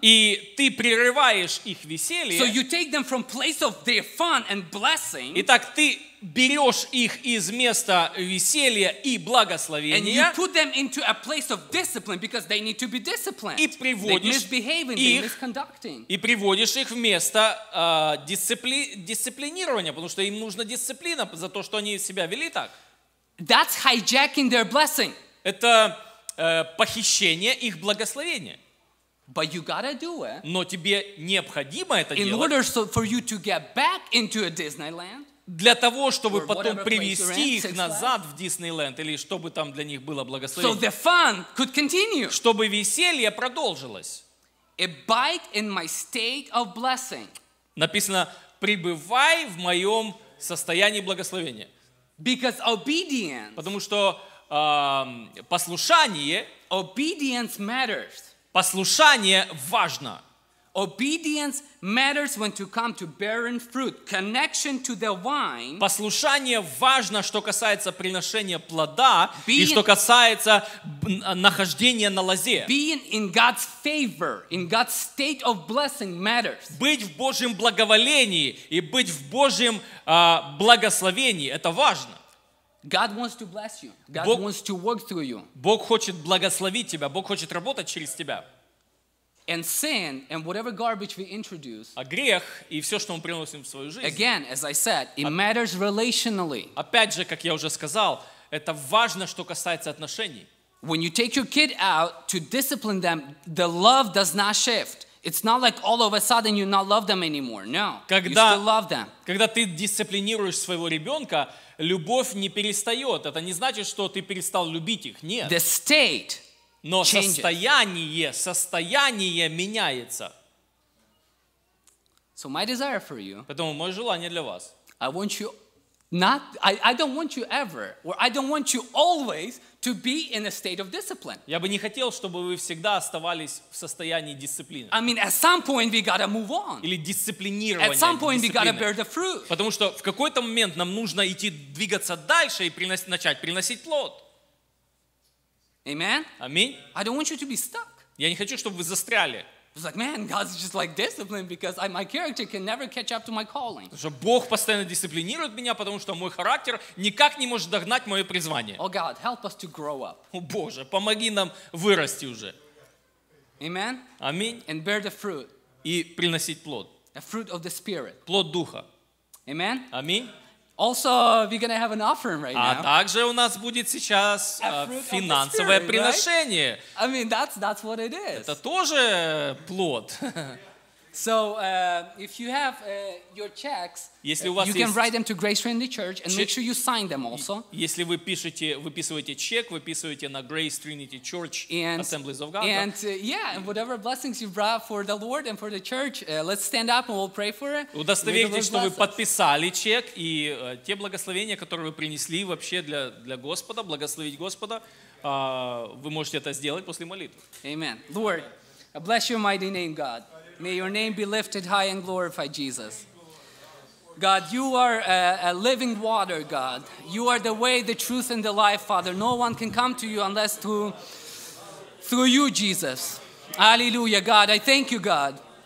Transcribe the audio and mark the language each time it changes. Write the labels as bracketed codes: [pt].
[ru] И ты прерываешь их веселье. [en] So you take them from place of their fun and blessing. [ru] Итак, ты берешь их из места веселья и благословения. [en] And you put them into a place of discipline because they need to be disciplined. [ru] И приводишь [en] they're misbehaving, [ru] их, [en] they're misconducting. [ru] И приводишь их в место дисциплинирования, потому что им нужна дисциплина за то, что они себя вели так. [en] That's hijacking their blessing. [ru] Это похищение их благословения. [en] But you gotta do it. [ru] Но тебе необходимо это [en] in [ru] делать. [en] Order so for you to get back into a Disneyland, [ru] для того, чтобы потом привести их назад в Диснейленд, или чтобы там для них было благословение. [en] So the fun could continue. [ru] Чтобы веселье продолжилось. [en] Abide in my state of blessing. [ru] Написано, пребывай в моем состоянии благословения. [en] Because obedience, [ru] потому что послушание, [en] obedience matters. [ru] Послушание важно. [en] Obedience matters when to come to bearing fruit. Connection to the vine. [ru] Послушание важно, что касается приношения плода и что касается нахождения на лозе. [en] Being in God's favor, in God's state of blessing matters. [ru] Быть в Божьем благоволении и быть в Божьем благословении – это важно. [en] God wants to bless you. God wants to work through you. [ru] Бог хочет благословить тебя. Бог хочет работать через тебя. [en] And sin and whatever garbage we introduce. [ru] А грех и все, что мы приносим в свою жизнь. [en] Again, as I said, it matters relationally. [ru] Опять же, как я уже сказал, это важно, что касается отношений. [en] When you take your kid out to discipline them, the love does not shift. It's not like all of a sudden you not love them anymore. No, [ru] когда, [en] you still love them. [ru] Когда ты дисциплинируешь своего ребенка, любовь не перестает. Это не значит, что ты перестал любить их. Нет. [en] The state [ru] Но состояние меняется. [en] So my desire for you, [ru] поэтому мое желание для вас. [en] I want you not, I don't want you ever, or I don't want you always to be in a state of discipline. [ru] Я бы не хотел, чтобы вы всегда оставались в состоянии дисциплины. [en] I mean, at some point we gotta move on. [ru] Или дисциплинирование. [en] At some point we gotta bear the fruit. [ru] Потому что в какой-то момент нам нужно идти двигаться дальше и начать приносить плод. [en] Amen. [ru] Аминь. [en] I don't want you to be stuck. [ru] Я не хочу, чтобы вы застряли. [en] It's like, man, God's just like discipline because my character can never catch up to my calling. [ru] Потому что Бог постоянно дисциплинирует меня, потому что мой характер никак не может догнать мое призвание. [en] Oh God, help us to grow up. [ru] О Боже, помоги нам вырасти уже. [en] Amen. [ru] Аминь. [en] And bear the fruit. [ru] И приносить плод. [en] A fruit of the Spirit. [ru] Плод духа. [en] Amen. [ru] Аминь. [en] Also, we're gonna have an offering right now. [ru] А также у нас будет сейчас финансовое приношение. [en] Right? I mean, that's what it is. [ru] Это тоже плод. [en] So if you have your checks, you can write them to Grace Trinity Church and make sure you sign them also. [ru] Если ви пишете, выписываете чек, выписываете на Grace Trinity Church Assemblies of God. [en] And yeah, and whatever blessings you brought for the Lord and for the church, let's stand up and we'll pray for it. [ru] Удостоверьтесь, что вы подписали чек и те благословения, которые вы принесли вообще для Господа, благословить Господа, вы можете это сделать после молитвы. [en] Amen. Lord, I bless your mighty name, God. May your name be lifted high and glorified, Jesus. God, you are a living water, God. You are the way, the truth, and the life, Father. No one can come to you unless through you, Jesus. Hallelujah, God. I thank you, God.